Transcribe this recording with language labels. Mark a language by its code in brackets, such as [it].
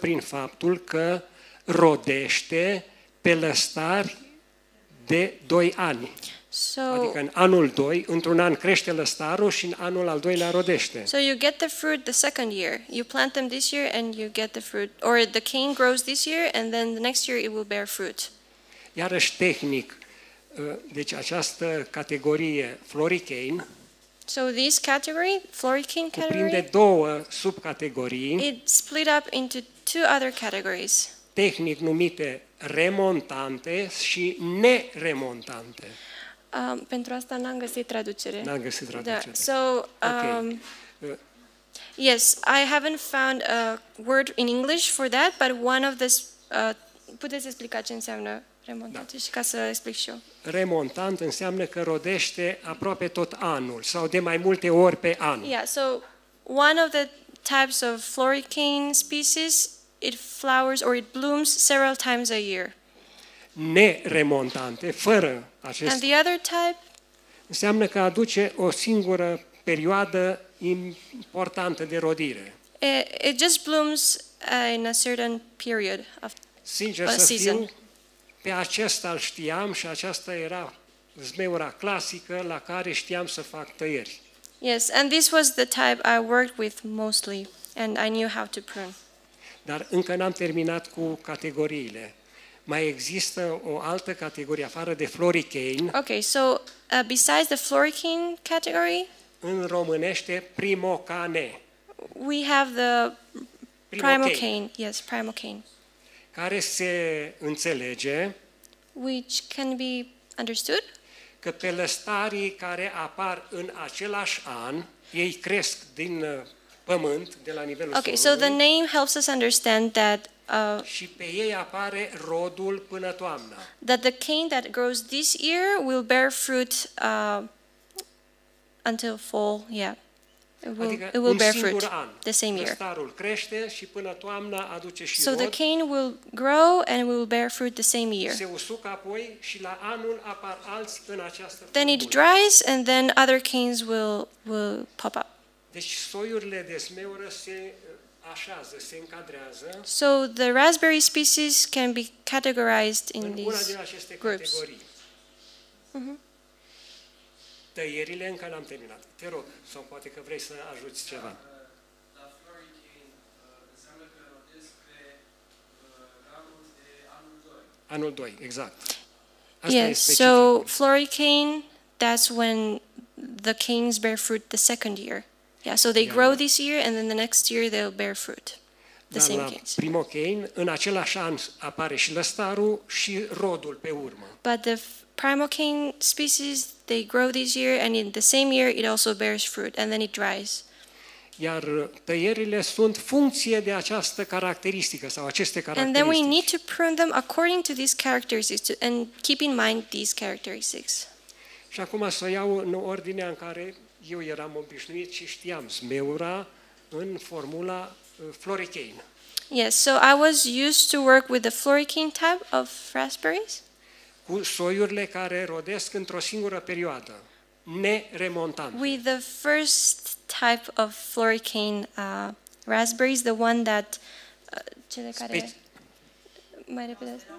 [ro] prin faptul că rodește pe lăstar de 2 ani. [en] So, [ro] adică în anul 2, într-un an crește lăstarul și în anul al doilea rodește. [en] So you get the fruit the second year. You plant them this year and you get the fruit, or the cane grows this year and then the next year it will bear fruit. [ro] Iarăși tehnic, deci această categorie floricane, [en] so this category, floricane category, [ro] cuprinde două subcategorii, [en] it split up into two other categories, [ro] tehnic numite remontante și neremontante. Pentru asta n-am găsit traducere. N-am găsit traducere. Da. [en] So, okay. Yes, I haven't found a word in English for that, but one of the, [ro] puteți explica ce înseamnă? Remontant, da. Și ca să explic și eu. Remontant înseamnă că rodește aproape tot anul sau de mai multe ori pe an. [en] Yeah, so one of the types of floricane species, it flowers or it blooms several times a year. [ro] Neremontante, fără acest. [en] And the other type? [ro] Înseamnă că aduce o singură perioadă importantă de rodire. [en] It just blooms in a certain period of [ro] sincer [en] a season. [ro] Fiu, pe acesta îl știam și aceasta era zmeura clasică la care știam să fac tăieri. [en] Yes, and this was the type I worked with mostly and I knew how to prune. [ro] Dar încă n-am terminat cu categoriile. Mai există o altă categorie afară de floricane. [en] Okay, so besides the floricane category? [ro] În românește primocane. [en] We have the primocane. Yes, primocane. [ro] Care se înțelege, [en] which can be understood, [ro] că pe lăstarii care apar în același an, ei cresc din pământ, de la nivelul [en] okay, [ro] solului. [en] So the name helps us understand that, [ro] și pe ei apare rodul până toamna. [en] That the cane that grows this year will bear fruit until fall, yeah. It will, [ro] adică [en] it will bear fruit an, the same year. [ro] Lăstarul crește și până toamna aduce și [en] so [ro] rod. [en] So the cane will grow and will bear fruit the same year. [ro] Se usucă apoi și la anul apar alți în această [en] then [ro] formulă. [en] It dries and then other canes will pop up. [ro] Deci soiurile de zmeură se așează, se încadrează. [en] So the raspberry species can be categorized in these groups. [ro] Tăierile încă n-am terminat. Te rog, sau poate că vrei să ajuți ceva. La floricane înseamnă că rodesc pe ramuri de anul 2. Anul 2, exact. Asta [en] yes, so floricane, that's when the canes bear fruit the second year. Yeah, so they grow this year and then the next year they'll bear fruit. The same canes. [ro] Primocane, în același an apare și lăstarul și rodul pe urmă. [en] But the primocane species, they grow this year and in the same year it also bears fruit and then it dries. [ro] Iar tăierile sunt funcție de această caracteristică sau aceste caracteristici. [en] And then we need to prune them according to these characteristics and keep in mind these characteristics. [ro] Și acum să iau în ordinea în care eu eram obișnuit și știam zmeura în formula floricane. [en] Yes, so I was used to work with the floricane type of raspberries. [ro] Cu soiurile care rodesc într-o singură perioadă, neremontante. [en] With the first type of floricane raspberries, the one that [ro] cele care mai repede.